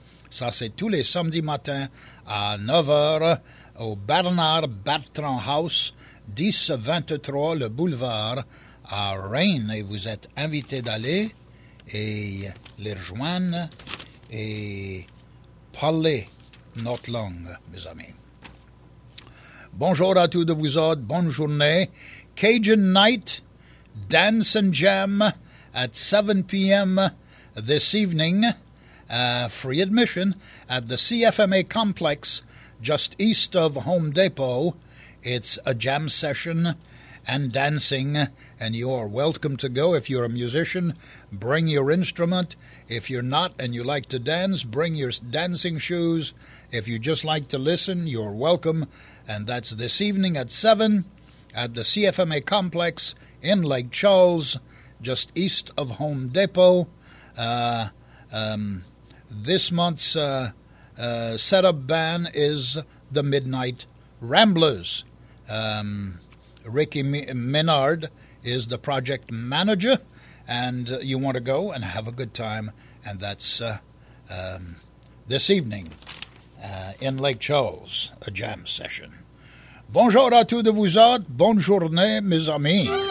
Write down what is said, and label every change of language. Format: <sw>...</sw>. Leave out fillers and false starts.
<fr>Ça, c'est tous les samedis matins à 9h au Bernard Bertrand House, 1023 le boulevard à Rain. Et vous êtes invités d'aller et les rejoindre et parler notre langue, mes amis. Bonjour à tous de vous autres, bonne journée.</fr> <en>Cajun Night, Dance and Jam at 7 p.m. this evening. Free admission at the CFMA complex just east of Home Depot. It's a jam session and dancing, and you are welcome to go. If you're a musician, bring your instrument. If you're not and you like to dance, bring your dancing shoes. If you just like to listen, you're welcome. And that's this evening at 7 at the CFMA complex in Lake Charles, just east of Home Depot. This month's setup band is the Midnight Ramblers. Ricky Minard is the project manager, and you want to go and have a good time, and that's this evening in Lake Charles, a jam session.</en> <fr>Bonjour à tous de vous autres, bonne journée, mes amis.</fr>